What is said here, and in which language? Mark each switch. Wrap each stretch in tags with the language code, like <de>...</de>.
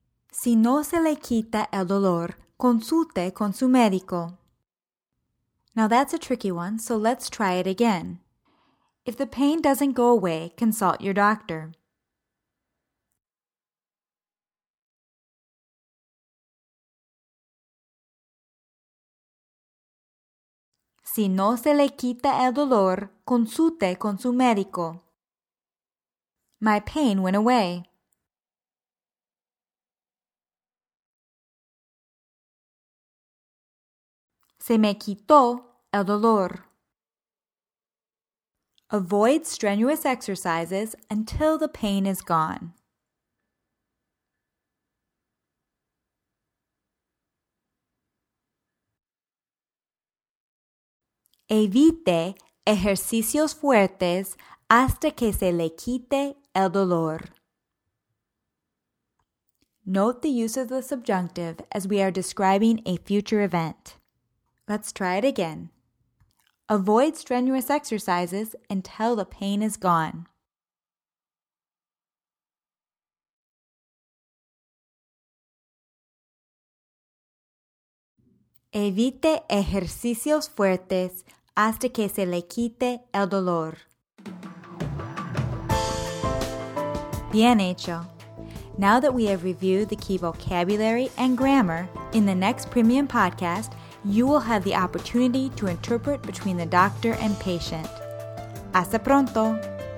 <es>Si no se le quita el dolor, consulte con su médico.</es> <en>Now that's a tricky one, so let's try it again. If the pain doesn't go away, consult your doctor.</en> <es>Si no se le quita el dolor, consulte con su médico.</es> <en>My pain went away.</en> <es>Se me quitó el dolor.</es> <en>Avoid strenuous exercises until the pain is gone.</en> <es>Evite ejercicios fuertes hasta que se le quite el dolor.</es> <en>Note the use of the subjunctive as we are describing a future event. Let's try it again. Avoid strenuous exercises until the pain is gone.</en> <es>Evite ejercicios fuertes hasta que se le quite el dolor. Bien hecho.</es> <en>Now that we have reviewed the key vocabulary and grammar, in the next premium podcast, you will have the opportunity to interpret between the doctor and patient.</en> <es>Hasta pronto!</es>